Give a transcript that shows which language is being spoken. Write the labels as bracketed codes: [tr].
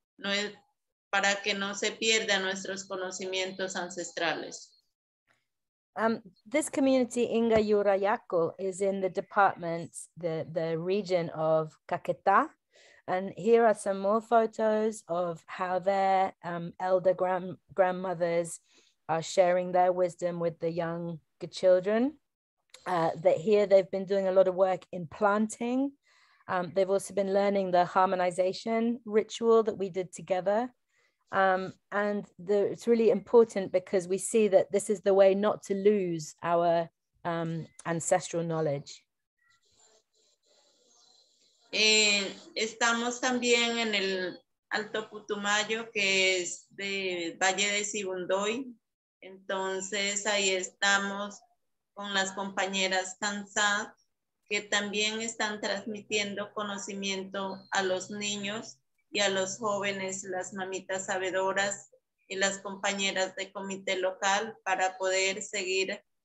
[es] No es, para que no se pierdan nuestros conocimientos ancestrales. [en] This community, Inga Yurayako, is in the department, the region of Caquetá. And here are some more photos of how their elder grandmothers are sharing their wisdom with the younger children. That here they've been doing a lot of work in planting. They've also been learning the harmonization ritual that we did together. It's really important because we see that this is the way not to lose our ancestral knowledge. [es] Estamos también en el Alto Putumayo, que es de Valle de Sibundoy. Entonces ahí estamos con las compañeras Tanzá, que también están transmitiendo conocimiento a los niños y a los jóvenes, las mamitas sabedoras y las compañeras de comité local para poder seguir